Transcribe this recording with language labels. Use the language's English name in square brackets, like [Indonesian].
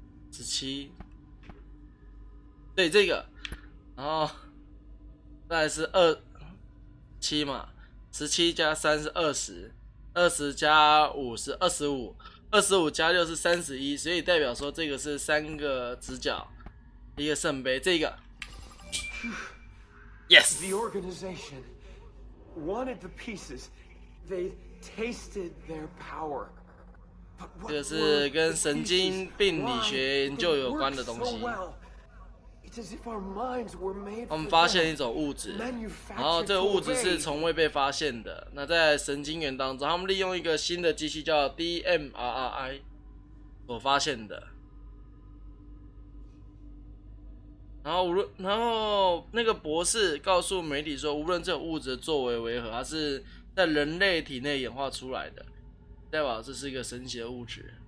[Chinese] 十七，对这个，然后再来是二七嘛，十七加三是二十，二十加五是二十五，二十五加六是三十一，所以代表说这个是三个直角，一个圣杯，这个。 [English] Yes. The organization wanted the pieces. They tasted their power. But what were the pieces? Why did it work so well? It's as if our minds were made for that. [Chinese] 我们发现一种物质，然后这个物质是从未被发现的。那在神经元当中，他们利用一个新的机器叫 DMRI 所发现的。然后那个博士告诉媒体说，无论这个物质的作为为何，它是在人类体内演化出来的，代表这是一个神奇的物质。